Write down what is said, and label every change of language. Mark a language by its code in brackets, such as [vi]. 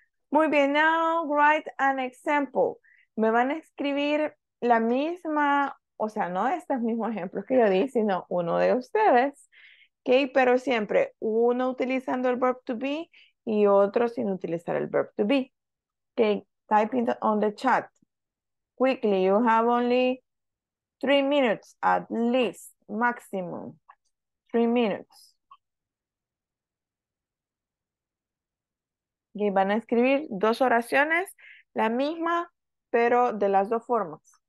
[es] Muy bien, [en] now write an example. [es] Me van a escribir la misma, o sea, no estos mismos ejemplos que yo di, sino uno de ustedes. Okay, pero siempre uno utilizando el verb to be y otro sin utilizar el verb to be. [en] Okay, type in on the chat. Quickly, you have only 3 minutes at least, maximum. 3 minutes. [es] Y van a escribir dos oraciones, la misma, pero de las dos formas.